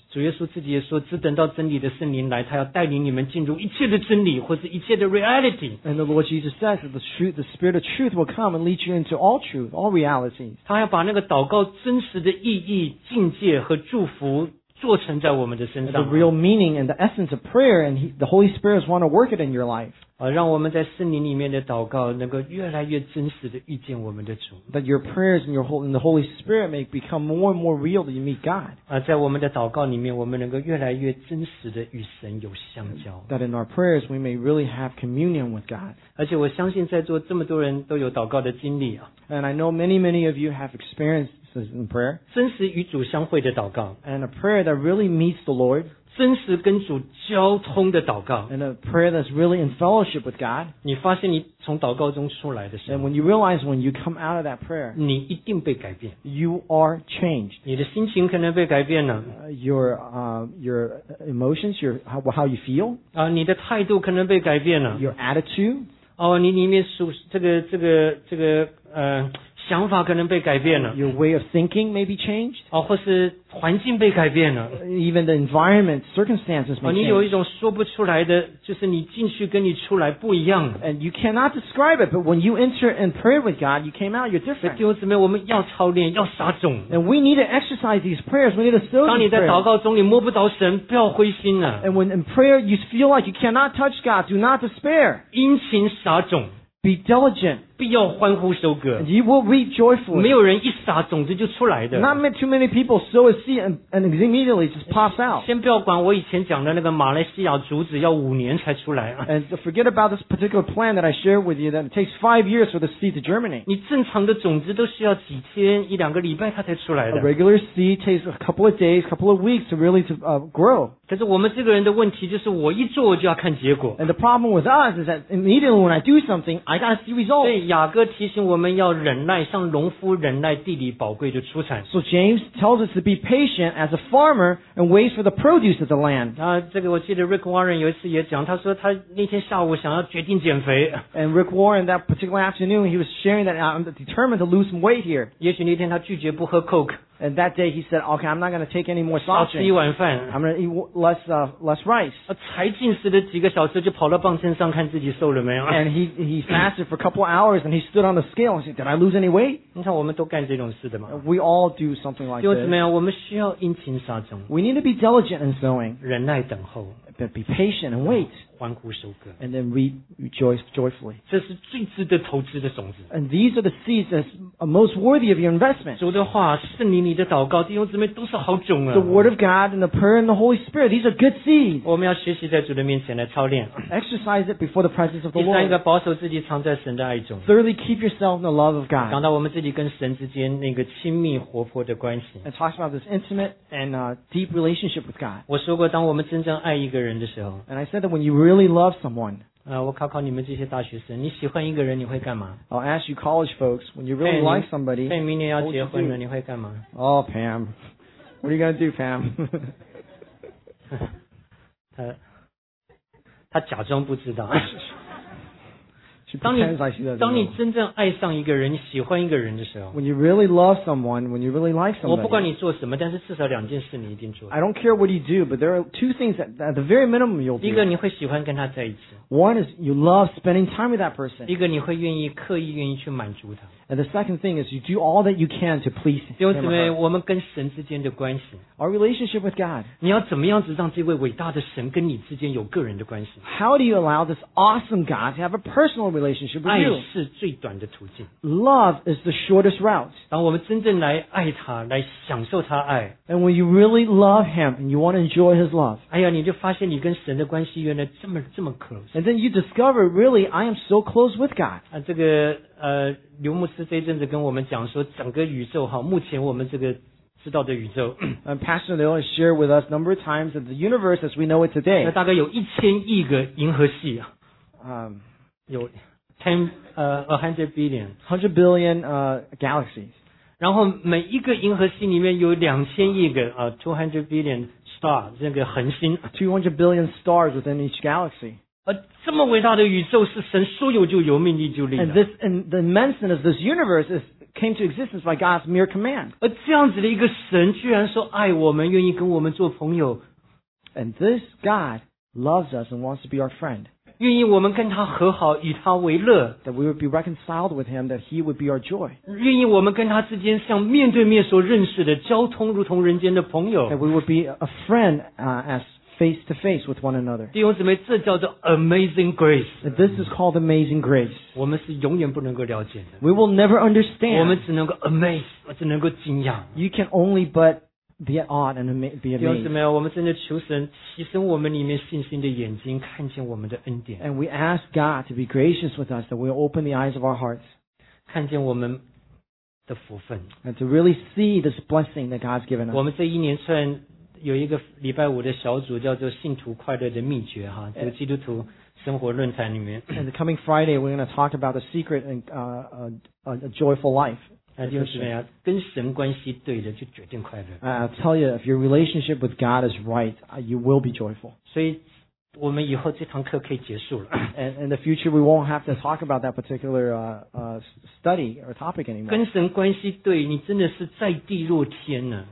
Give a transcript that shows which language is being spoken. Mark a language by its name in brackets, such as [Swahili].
[Chinese] 主耶稣自己也说，只等到真理的圣灵来，他要带领你们进入一切的真理或者一切的 reality. [English] And the Lord Jesus says that the Spirit of truth will come and lead you into all truth, all realities. [Chinese] 他要把那个祷告真实的意义、境界和祝福。做成在我们的身上。 [English] The real meaning and the essence of prayer, and the Holy Spirit wants to work it in your life. [Chinese] 让我们在圣灵里面的祷告能够越来越真实的遇见我们的主。 [English] That your prayers and the Holy Spirit may become more and more real that you meet God. [Chinese] 在我们的祷告里面，我们能够越来越真实的与神有相交。 [English] That in our prayers we may really have communion with God. [Chinese] 而且我相信在座这么多人都有祷告的经历啊。 [English] And I know many of you have experienced. In prayer, [Chinese] 真实与主相会的祷告 [English] and a prayer that really meets the Lord, [Chinese] 真实跟主交通的祷告 [English] and a prayer that's really in fellowship with God, [Chinese] 你发现你从祷告中出来的时候 [English] and when you realize when you come out of that prayer, [Chinese] 你一定被改变 [English] you are changed, [Chinese] 你的心情可能被改变了 [English] your emotions, how you feel, [Chinese] 你的态度可能被改变了 [English] your attitude, [Chinese] 你里面属这个想法可能被改变了。 [English] Your way of thinking may be changed. [Chinese] 或是环境被改变了。 [English] Even the environment, circumstances may change. [Chinese] 你有一种说不出来的，就是你进去跟你出来不一样。 [English] And you cannot describe it, but when you enter and pray with God, you came out, you're different. [Chinese] 弟兄姊妹，我们要操练，要撒种。 [English] And we need to exercise these prayers. We need to sow these prayers. [Chinese] 当你在祷告中你摸不着神，不要灰心啊。 [English] And when in prayer you feel like you cannot touch God, do not despair. [Chinese] 殷勤撒种。 [English] Be diligent. [Chinese] 必要欢呼收割。 [English] You will be joyful. [Chinese] 没有人一撒种子就出来的。 [English] Not too many people sow a seed and immediately just pops out. [Chinese] 先不要管我以前讲的那个马来西亚竹子要五年才出来。 [English] And forget about this particular plant that I shared with you that it takes 5 years for the seed to germinate. [Chinese] 你正常的种子都需要几天一两个礼拜它才出来的。 [English] A regular seed takes a couple of days, a couple of weeks to really grow. [Chinese] 可是我们这个人的问题就是我一做就要看结果。 [English] And the problem with us is that immediately when I do something, I gotta see results. [Chinese] 对雅各提醒我们要忍耐，像农夫忍耐地里宝贵的出产。 [English] So James tells us to be patient as a farmer and wait for the produce of the land. [Chinese] 啊，这个我记得 Rick Warren 有一次也讲，他说他那天下午想要决定减肥。 [English] And Rick Warren that particular afternoon he was sharing that I'm determined to lose some weight here. [Chinese] 也许那天他拒绝不喝 Coke。 [English] And that day he said, okay, I'm not going to take any more sausage. [Chinese] 少吃一碗饭。 [English] I'm going to eat less rice. [Chinese] 才进食的几个小时就跑到磅秤上看自己瘦了没有。 [English] And he fasted for a couple of hours and he stood on the scale and said, did I lose any weight? [Chinese] 你看我们都干这种事的嘛。 [English] We all do something like this. [Chinese] 就怎么样，我们需要殷勤撒种。 [English] We need to be diligent in sowing. [Chinese] 忍耐等候。 [English] But be patient and wait. [Chinese] 欢呼收割。 [English] And then rejoice joyfully. [Chinese] 这是最值得投资的种子。 [English] And these are the seeds that are most worthy of your investment. [Chinese] 主的话，圣灵里的祷告，弟兄姊妹都是好种啊。 [English] The word of God and the prayer and the Holy Spirit, these are good seeds. [Chinese] 我们要学习在主的面前来操练。 [English] Exercise it before the presence of the Lord. [Chinese] 第三个，保守自己藏在神的爱中。 [English] Thirdly, keep yourself in the love of God. [Chinese] 讲到我们自己跟神之间那个亲密活泼的关系。 [English] And talks about this intimate and deep relationship with God. [Chinese] 我说过，当我们真正爱一个人。 [English] And I said that when you really love someone, [Chinese] 我考考你们这些大学生，你喜欢一个人你会干嘛？ [English] I'll ask you college folks, when you really like somebody, [Chinese] 你明年要结婚了，你会干嘛？ [English] Oh, Pam, what are you gonna do, Pam? [Chinese] 他假装不知道。当你真正爱上一个人，你喜欢一个人的时候 [English] ，When you really love someone, when you really like somebody, [Chinese] 我不管你做什么，但是至少两件事你一定做。 [English] I don't care what you do, but there are two things that at the very minimum you'll do. [Chinese] 一个你会喜欢跟他在一起。 [English] One is you love spending time with that person. [Chinese] 一个你会愿意刻意愿意去满足他。 [English] And the second thing is you do all that you can to please him. [Chinese] 弟兄姊妹，我们跟神之间的关系 [English] ，Our relationship with God. [Chinese] 你要怎么样子让这位伟大的神跟你之间有个人的关系 [English] ？How do you allow this awesome God to have a personal relationship with you? [Chinese] 爱是最短的途径。 [English] Love is the shortest route. [Chinese] 当我们真正来爱他，来享受他爱 [English] ，And when you really love him and you want to enjoy his love, [Chinese] 哎呀，你就发现你跟神的关系原来这么 close. [English] And then you discover, really, I am so close with God. [Chinese] 啊，这个。刘牧师这一阵子跟我们讲说，整个宇宙哈，目前我们这个知道的宇宙。 [English] And Pastor Leo has shared with us number of times that the universe as we know it today. [Chinese] 那大概有1000亿个银河系啊。 [English] 有 100 billion galaxies. [Chinese] 然后每一个银河系里面有2000亿个 [English] 200 billion stars [Chinese] 这个恒星。 [English] 200 billion stars within each galaxy. [Chinese] 这么伟大的宇宙是神说有就有命令就立的。 [English] And this, and the immenseness of this universe is, came to existence by God's mere command. [Chinese] 而这样子的一个神居然说爱我们，愿意跟我们做朋友。 [English] And this God loves us and wants to be our friend. [Chinese] 愿意我们跟他和好，以他为乐。 [English] That we would be reconciled with him, that he would be our joy. [Chinese] 愿意我们跟他之间像面对面所认识的，交通如同人间的朋友。 [English] That we would be a friend, as face to face with one another. [Chinese] 弟兄姊妹，这叫做 [English] amazing grace. This is called amazing grace. [Chinese] 我们是永远不能够了解的。 [English] We will never understand. [Chinese] 我们只能够 amaze, 只能够惊讶。 [English] You can only but be at awe and be amazed. [Chinese] 弟兄姊妹，我们真的求神提升我们里面信心的眼睛，看见我们的恩典。 [English] And we ask God to be gracious with us, that we open the eyes of our hearts. [Chinese] 看见我们的福分。 [English] And to really see this blessing that God's given us. [Chinese] 我们这一连串有一个礼拜五的小组叫做信徒快乐的秘诀哈，这个基督徒生活论坛里面。 [English] And coming Friday, we're going to talk about the secret and a joyful life. [Chinese] 就是什么呀？跟神关系对了，就决定快乐。 [English] I'll tell you, if your relationship with God is right, you will be joyful. [Chinese] 所以我们以后这堂课可以结束了。 [English] And in the future, we won't have to talk about that particular study or topic anymore. [Chinese] 跟神关系对，你真的是在地若天呢。